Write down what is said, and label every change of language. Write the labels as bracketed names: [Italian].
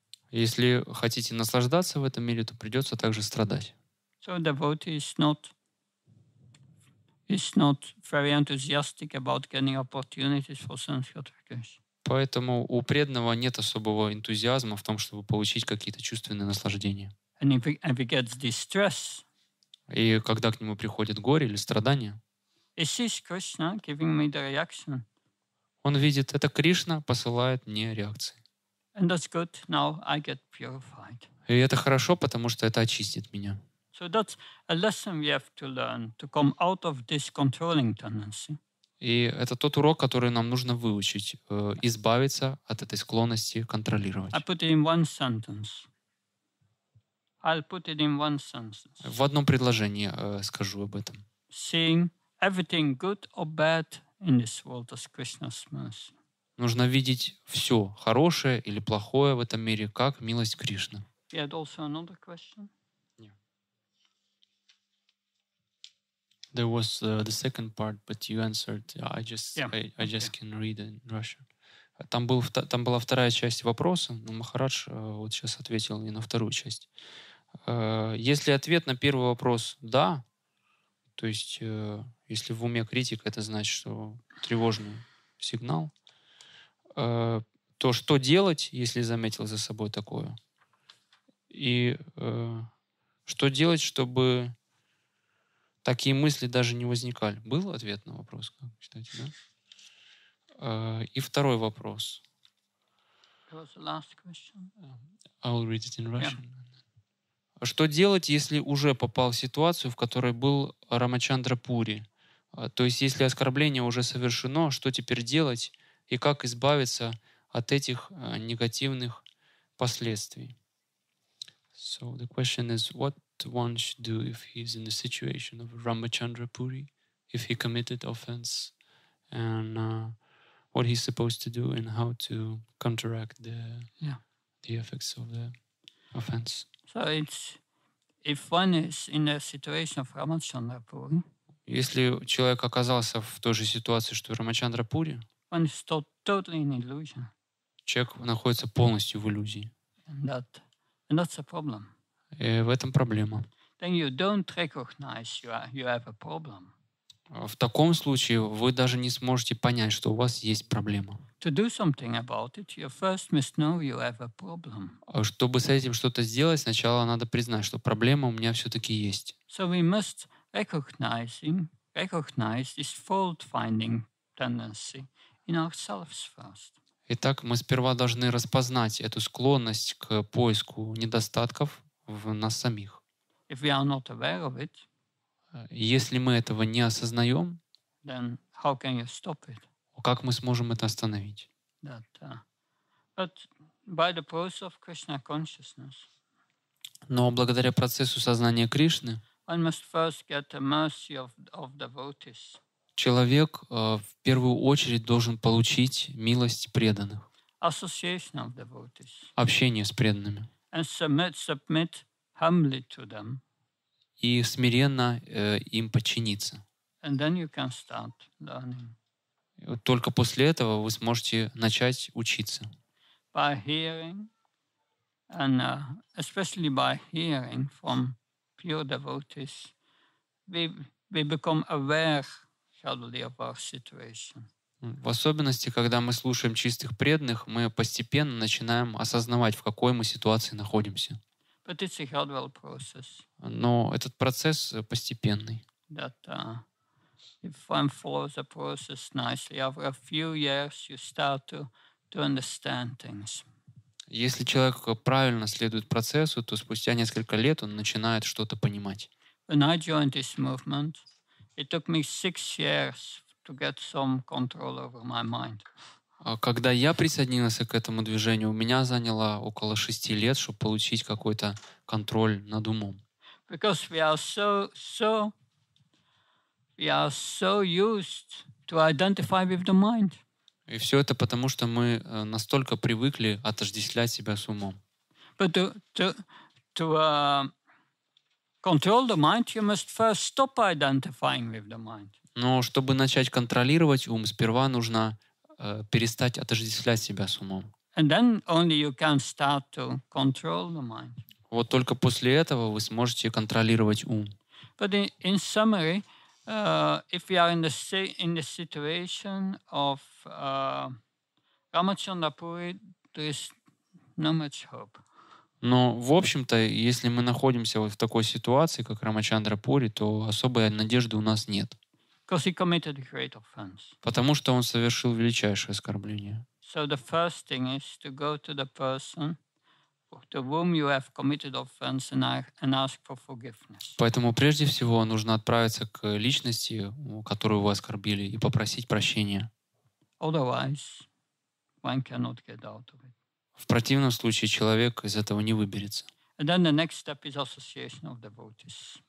[Russian] Если хотите наслаждаться в этом мире, то придется также страдать. [English] So the devotee is not very enthusiastic about getting opportunities for sense gratification. [Russian] Поэтому у преданного нет особого энтузиазма в том, чтобы получить какие-то чувственные наслаждения. [English] And if he gets distress, [Russian] и когда к нему приходит горе или страдание, [English] he sees Krishna giving me the reaction. [Russian] Он видит, это Кришна посылает мне реакции. [English] And that's good. Now I get purified. [Russian] И это хорошо, потому что это очистит меня. [English] So that's a lesson we have to learn to come out of this controlling tendency. [Russian] И это тот урок, который нам нужно выучить, избавиться от этой склонности контролировать. [English] I put it in one sentence. I'll put it in one sentence. [Russian] В одном предложении скажу об этом. [English] Seeing everything good or bad in this world as Krishna's mercy. [Russian] Нужно видеть все хорошее или плохое в этом мире как милость Кришны. [English] We had also another question. There was the second part, but you answered. I just can read in Russian. [Russian] Там была вторая часть вопроса, но Махарадж вот сейчас ответил мне на вторую часть. Если ответ на первый вопрос «да», то есть если в уме критика, это значит, что тревожный сигнал, то что делать, если заметил за собой такое? И что делать, чтобы такие мысли даже не возникали. Был ответ на вопрос, как считаете, да? И второй вопрос. [English] That was the last question. I'll read it in Russian. Yeah. [Russian] Что делать, если уже попал в ситуацию, в которой был Рамачандра Пури? То есть, если оскорбление уже совершено, что теперь делать и как избавиться от этих негативных последствий? [English] So the question is, what one should do if he's in the situation of Ramachandra Puri, if he committed offense, and what he's supposed to do and how to counteract the effects of the offense. So it's if one is in a situation of Ramachandra Puri. [Russian] Если человек оказался в той же ситуации, что Рамачандра Пури, [English] one is totally in illusion. [Russian] Человек находится полностью в иллюзии. [English] And that's a problem. [Russian] И в этом проблема. [English] Then you don't recognize you have a problem. [Russian] В таком случае вы даже не сможете понять, что у вас есть проблема. [English] To do something about it, you first must know you have a problem. [Russian] Чтобы с этим что-то сделать, сначала надо признать, что проблема у меня все-таки есть. [English] So we must recognize this fault-finding tendency in ourselves first. [Russian] Итак, мы сперва должны распознать эту склонность к поиску недостатков в нас самих. [English] If we are not aware of it, [Russian] Если мы этого не осознаем, [English] then how can you stop it? [Russian] Как мы сможем это остановить? [English] That, but by the process of Krishna consciousness, [Russian] но благодаря процессу сознания Кришны, [English] one must first get the mercy of devotees. [Russian] Человек в первую очередь должен получить милость преданных, [English] association of devotees. [Russian] Общение с преданными, [English] and submit humbly to them. [Russian] И смиренно им подчиниться. [English] And then you can start learning. [Russian] Только после этого вы сможете начать учиться. [English] By hearing, and especially by hearing from pure devotees, we become aware, surely, of our situation. [Russian] В особенности, когда мы слушаем чистых преданных, мы постепенно начинаем осознавать, в какой мы ситуации находимся. [English] But it's a gradual process. [Russian] Но этот процесс постепенный. [English] That, if one follows the process nicely, after a few years you start to understand things. [Russian] Если человек правильно следует процессу, то спустя несколько лет он начинает что-то понимать. [English] When I joined this movement, it took me 6 years to get some control over my mind. [Russian] Когда я присоединился к этому движению, у меня заняло около 6 лет, чтобы получить какой-то контроль над умом. [English] Because we are so used to identify with the mind. [Russian] И все это потому, что мы настолько привыкли отождествлять себя с умом. [English] But to control the mind, you must first stop identifying with the mind. [Russian] Но чтобы начать контролировать ум, сперва нужно перестать отождествлять себя с умом. [English] And then only you can start to control the mind. [Russian] Вот только после этого вы сможете контролировать ум. [English] But in summary, if we are in the situation of Ramachandra Puri, there is no much hope. [Russian] Но в общем-то, если мы находимся вот в такой ситуации, как Рамачандра Пури, то особой надежды у нас нет. [English] Because he committed a great offense. [Russian] Потому что он совершил величайшее оскорбление. [English] So the first thing is to go to the person to whom you have committed offense and ask for forgiveness. [Russian] Поэтому прежде всего нужно отправиться к личности, которую вы оскорбили, и попросить прощения. [English] Otherwise, one cannot get out of it. [Russian] В противном случае человек из этого не выберется. [English] And then the next step is association of devotees.